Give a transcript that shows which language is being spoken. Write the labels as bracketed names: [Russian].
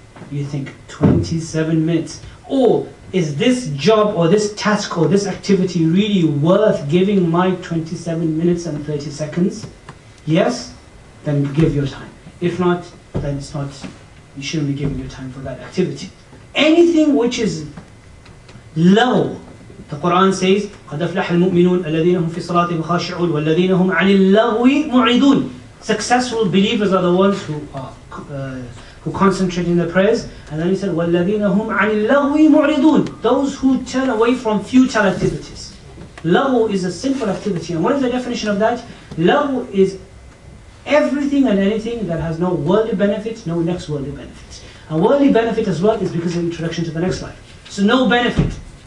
[English] You think, 27 minutes. Or is this job or this task or this activity really worth giving my 27 minutes and 30 seconds? Yes, then give your time. If not, then it's not you shouldn't be giving your time for that activity. Anything which is low, the Quran says, [Arabic] قَدْ أَفْلَحَ الْمُؤْمِنُونَ الَّذِينَ هُمْ فِي صَلَاتِهِمْ خَاشِعُونَ وَالَّذِينَ هُمْ عَنِ اللَّهُوِ مُعِدُونَ. [English] Successful believers are the ones who concentrate in their prayers. And then he said, [Arabic] وَالَّذِينَ هُمْ عَنِ اللَّهُوِ مُعْرِدُونَ. [English] Those who turn away from futile activities. Lahu is a simple activity. And what is the definition of that? Lahu is everything and anything that has no worldly benefit, no next worldly benefit. A worldly benefit as well is because of the introduction to the next life. So no benefit.